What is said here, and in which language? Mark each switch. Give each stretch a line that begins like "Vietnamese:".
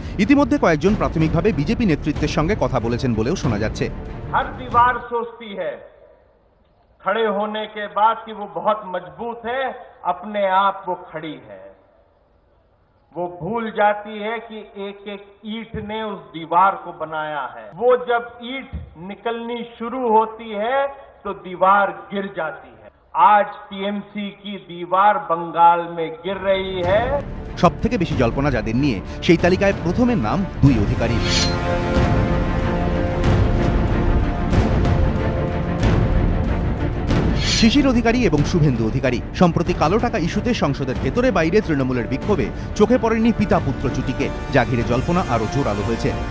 Bangla: ইতিমধ্যে কয়েকজন প্রাথমিকভাবে বিজেপি নেতৃত্বের সঙ্গে কথা বলেছেন বলেও শোনা যাচ্ছে।
Hindi: হর দিবার সোচতি হ্যায় খড়ে হোনে কে বাদ কি ও বহুত মজবুত হ্যায় আপনে আপ ও খড়ি হ্যায় वो भूल जाती है कि एक एक ईंट ने उस दीवार को बनाया है। वो जब ईंट निकलनी शुरू होती है तो दीवार गिर जाती है। आज टीएमसी की दीवार बंगाल में गिर रही है।
Bangla: সবথেকে বেশি জল্পনা যাদের নিয়ে সেই তালিকায় প্রথমে নাম দুই অধিকারী। শিশির অধিকারী এবং শুভেন্দু অধিকারী, সম্প্রতি কালো টাকা ইস্যুতে সংসদের ভেতরে বাইরে তৃণমূলের বিক্ষোভে চোখে পড়েনি পিতা পুত্র জুটিকে, যা ঘিরে জল্পনা আরও জোরালো হয়েছে।